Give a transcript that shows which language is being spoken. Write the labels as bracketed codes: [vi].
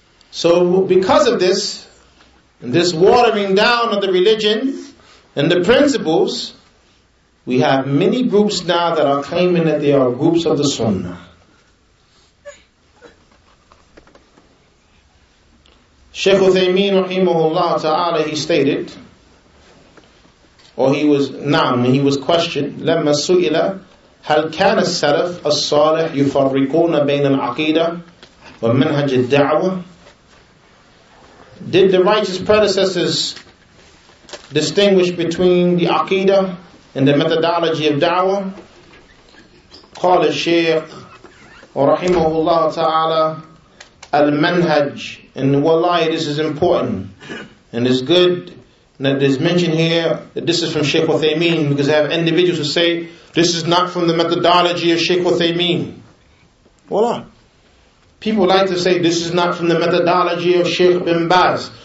[en] So because of this, this watering down of the religion and the principles, we have many groups now that are claiming that they are groups of the Sunnah. Shaykh Uthaymeen rahimahullah ta'ala, he stated, he was questioned, [ar] لَمَّا سُئِلَ هَلْ كَانَ السَّلَفَ الصَّالِحُ يُفَرِّقُونَ بَيْنَ الْعَقِيدَةِ وَمِنْهَجِ الدَّعْوَةِ. [en] Did the righteous predecessors distinguish between the aqidah and the methodology of da'wah? [ar] قال الشيخ ورحمه الله تعالى المنهج. [en] And wallahi, this is important. And it's good that it is mentioned here that this is from Shaykh Uthaymeen, because I have individuals who say this is not from the methodology of Shaykh Uthaymeen. Voila. People like to say this is not from the methodology of Shaykh bin Baz.